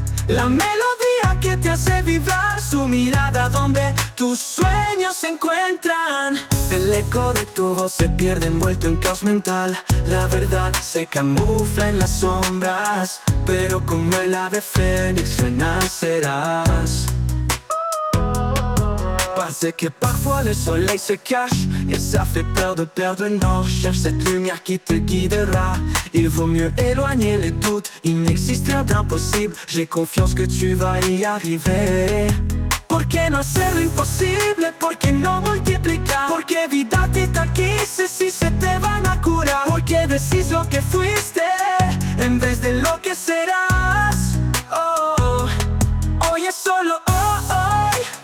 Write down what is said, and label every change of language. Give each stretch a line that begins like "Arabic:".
Spanish: La melodía que te hace vibrar, su mirada donde tus sueños se encuentran. El eco de tu voz se pierde envuelto en caos mental. La verdad se camufla en las sombras, pero como el ave fénix renacerás.
French: Parce que parfois le soleil se cache et ça fait peur de perdre le nord. Cherche cette lumière qui te guidera. Il vaut mieux éloigner les doutes. Il n'existe rien d'impossible. J'ai confiance que tu vas y arriver.
Spanish: Por qué no hacer lo imposible? Por qué no multiplicar? Por qué vida te taquise si se te van a curar? Por qué decís lo que fuiste en vez de lo que serás? Oh, oh. Hoy es solo oh, hoy.